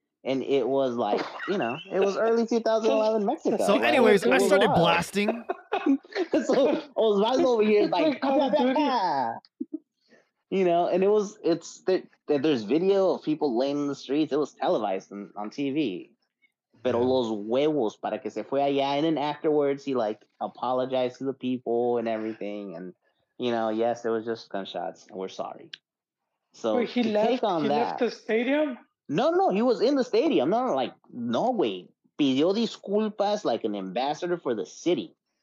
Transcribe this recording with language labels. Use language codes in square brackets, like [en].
[en] And it was like, you know, it was early 2011 Mexico. So, right? Anyways, I started blasting. So Osvaldo over here is like, ah, blah, blah, blah. You know, and there's video of people laying in the streets. It was televised on TV. [es] Pero los huevos para que se fue allá. [en] And then afterwards, he like apologized to the people and everything. And, you know, yes, it was just gunshots. We're sorry. So, wait, he left the stadium? No, he was in the stadium. No, like, no way. [es] Pidió disculpas [en] like an ambassador for the city.